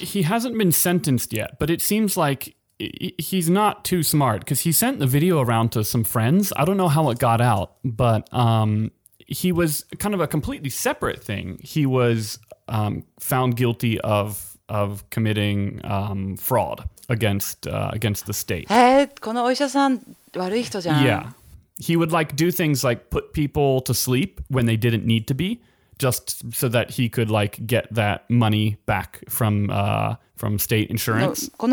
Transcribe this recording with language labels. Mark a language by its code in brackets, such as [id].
[en] He hasn't been sentenced yet, but it seems like he's not too smart because he sent the video around to some friends. I don't know how it got out, but he was kind of a completely separate thing. He was found guilty of committing fraud against the state. [ja] このお医者さん悪い人じゃん? [en] Yeah. He would like do things like put people to sleep when they didn't need to be. Just so that he could like get that money back from state insurance.